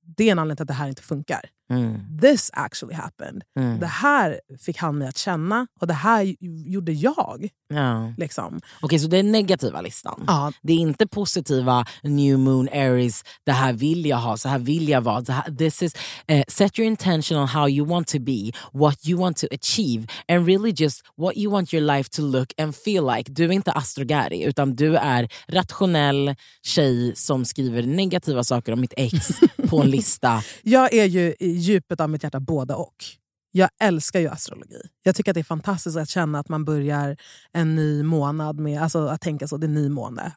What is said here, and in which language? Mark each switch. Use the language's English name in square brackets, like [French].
[Swedish] Det är en anledning till att det här inte funkar. [English] This actually happened. [Swedish] Det här fick han mig att känna, och det här gjorde jag. Liksom. Okej, så det är negativa listan. Det är inte positiva new moon Aries, det här vill jag ha, så här vill jag vara. Det här, [English] this is set your intention on how you want to be, what you want to achieve, and really just what you want your life to look and feel like. [Swedish] Du är inte astrogari, utan du är rationell tjej som skriver negativa saker om mitt ex på en lista. Jag är ju i djupet av mitt hjärta både och. Jag älskar ju astrologi. Jag tycker att det är fantastiskt att känna att man börjar en ny månad med, alltså att tänka så, det är ny måne.